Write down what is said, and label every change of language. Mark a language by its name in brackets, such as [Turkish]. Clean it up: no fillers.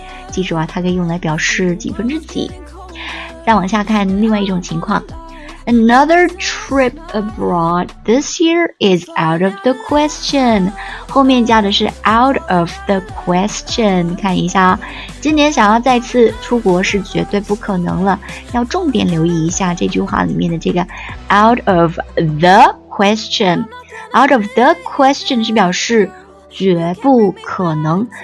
[Chinese] 记住啊，它可以用来表示几分之几。再往下看另外一种情况。 [English] Another trip abroad this year is out of the question. [Chinese] 后面加的是 [English] out of the question. [Chinese] 看一下啊，今年想要再次出国是绝对不可能了。要重点留意一下这句话里面的这个 [English] out of the question. Out of the question [Chinese] 是表示绝不可能。